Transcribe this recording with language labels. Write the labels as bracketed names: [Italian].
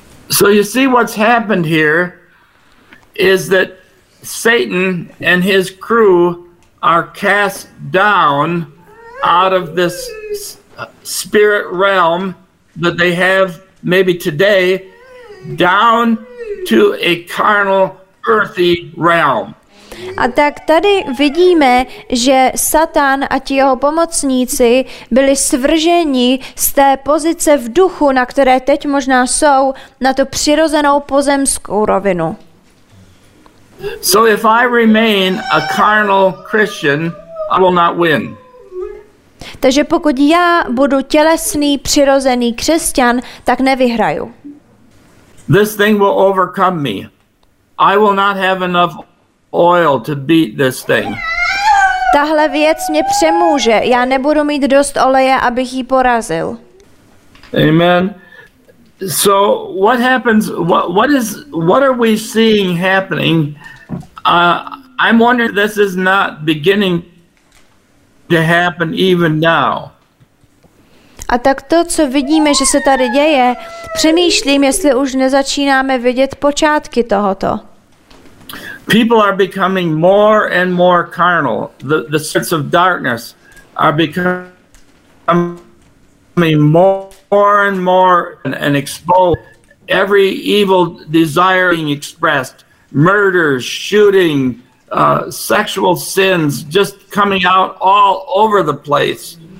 [English] So you see what's happened here is that Satan and his crew are cast down out of this spirit realm that they have maybe today down to a carnal earthy realm. [Czech] A tak tady vidíme, že Satan a ti jeho pomocníci byli svrženi z té pozice v duchu, na které teď možná jsou, na tu přirozenou pozemskou rovinu. [English] So if I remain a carnal Christian, I will not win. [Czech] Takže pokud já budu tělesný, přirozený křesťan, tak nevyhraju. [English] This thing will overcome me. I will not have enough oil to beat this thing. [Czech] Tahle věc mě přemůže. Já nebudu mít dost oleje, abych ji porazil. [English] Amen. So what happens, what are we seeing happening? I'm wondering if this is not beginning to happen even now. [Czech] A tak to, co vidíme, že se tady děje, přemýšlím, jestli už nezačínáme vidět počátky tohoto. [English] People are becoming more and more carnal. The spirits of darkness are becoming more and more and exposed. Every evil desire being expressed, murder, shooting, sexual sins just coming out all over the place.